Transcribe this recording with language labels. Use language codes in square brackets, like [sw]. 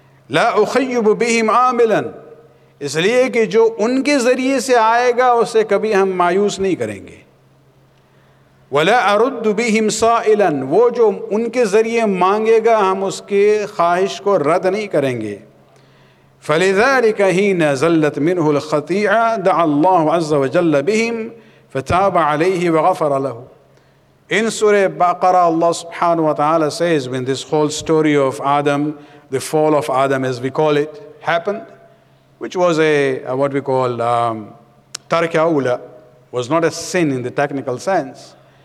[ar] لَا أُخَيِّبُ بِهِمْ عَامِلًا, [ur] اس لیے کہ جو ان کے ذریعے سے آئے گا اسے کبھی ہم مایوس نہیں کریں گے. [ar] وَلَا أَرُدُّ بِهِمْ سَائِلًا, [ur] وہ جو ان کے ذریعے مانگے گا ہم اس کے خواہش کو رد نہیں کریں گے. [ar] فلذلك حين زلت منه الخطيئة دعا الله عز وجل بهم فتاب عليه وغفر له. [en] In Surah Baqarah, Allah subhanahu wa ta'ala says, when this whole story of Adam, the fall of Adam as we call it, happened, which was a what we call tark aula, was not a sin in the technical sense.